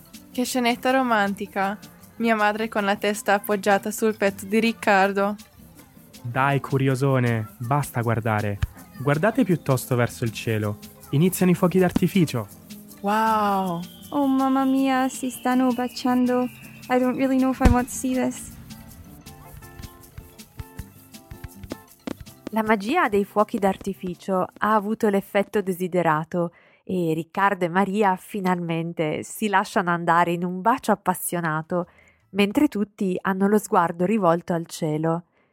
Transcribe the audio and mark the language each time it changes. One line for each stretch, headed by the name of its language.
Italian: Che scenetta romantica. Mia madre con la testa appoggiata sul petto di Riccardo. Dai, curiosone, basta guardare. Guardate piuttosto verso il cielo. Iniziano i fuochi d'artificio. Wow. Oh, mamma mia, si stanno baciando.
English: I don't really know if I want to see this.
Italian: La magia dei fuochi d'artificio ha avuto l'effetto desiderato e Riccardo e Maria finalmente si lasciano andare in un bacio appassionato, mentre tutti hanno lo sguardo rivolto al cielo.